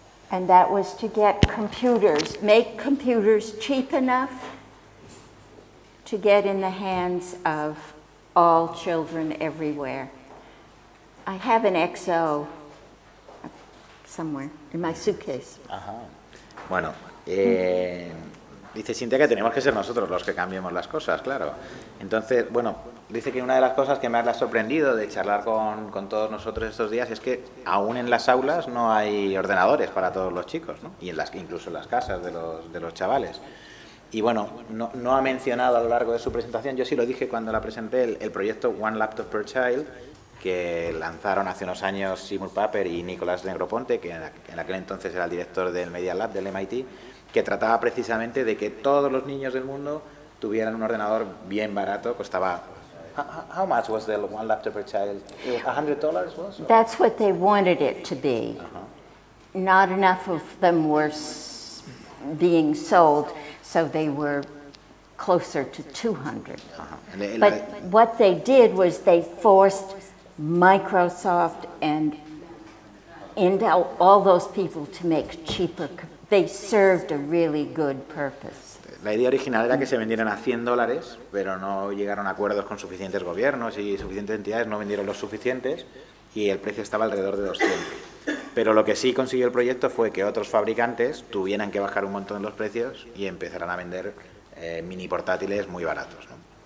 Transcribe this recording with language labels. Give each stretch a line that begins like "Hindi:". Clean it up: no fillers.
English: And that was to get computers, make computers cheap enough to get in the hands of all children everywhere. I have an XO somewhere, in my suitcase. Ajá.
Spanish: Bueno, dice Cynthia que tenemos que ser nosotros los que cambiemos las cosas, claro. Entonces, bueno, dice que una de las cosas que me ha sorprendido de charlar con todos nosotros estos días es que aún en las aulas no hay ordenadores para todos los chicos, ¿no? Y en las, incluso en las casas de los chavales. Y bueno, no ha mencionado a lo largo de su presentación, yo sí lo dije cuando la presenté, el proyecto One Laptop Per Child, que lanzaron hace unos años Seymour Papert y Nicholas Negroponte, que en aquel entonces era el director del Media Lab del MIT, que trataba precisamente de que todos los niños del mundo tuvieran un ordenador bien barato, costaba...
English: How much was the one laptop per child? $100 was? Or? That's what they wanted it to be. Uh-huh. Not enough of them were being sold, so they were closer to 200. Uh-huh. But what they did was they forced Microsoft and Intel, all those people to make cheaper, they served a really good purpose.
Spanish: La idea original era que se vendieran a $100, pero no llegaron a acuerdos con suficientes gobiernos y suficientes entidades, no vendieron los suficientes y el precio estaba alrededor de 200. Pero lo que sí consiguió el proyecto fue que otros fabricantes tuvieran que bajar un montón los precios y empezaran a vender mini portátiles muy baratos, ¿no?